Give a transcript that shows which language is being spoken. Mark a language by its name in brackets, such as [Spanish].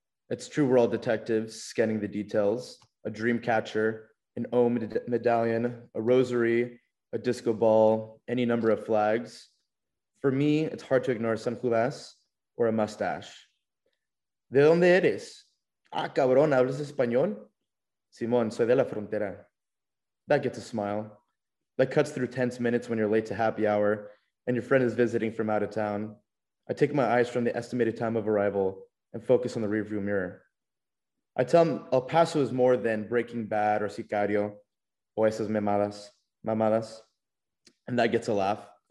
[English] It's true we're all detectives scanning the details, a dream catcher, an ohm medallion, a rosary, a disco ball, any number of flags. For me, it's hard to ignore sunglasses or a mustache. [Spanish] ¿De dónde eres? Ah, cabrón, ¿hablas español? Simón, soy de la frontera. [English] That gets a smile. That cuts through tense minutes when you're late to happy hour and your friend is visiting from out of town. I take my eyes from the estimated time of arrival and focus on the rearview mirror. I tell him El Paso is more than Breaking Bad or Sicario, [Spanish] o esas mamadas, [English] and that gets a laugh.